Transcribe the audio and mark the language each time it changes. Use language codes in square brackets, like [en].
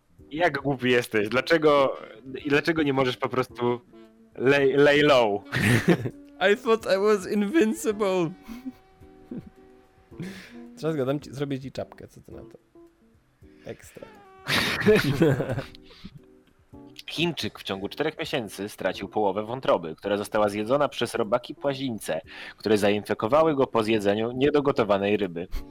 [pl] Jak głupi jesteś? Dlaczego nie możesz po prostu [en] lay low? I thought I was invincible. [pl] Teraz gadam ci, zrobię ci czapkę, co ty na to? Ekstra. Chińczyk w ciągu 4 miesięcy stracił połowę wątroby, która została zjedzona przez robaki płazińce, które zainfekowały go po zjedzeniu niedogotowanej ryby.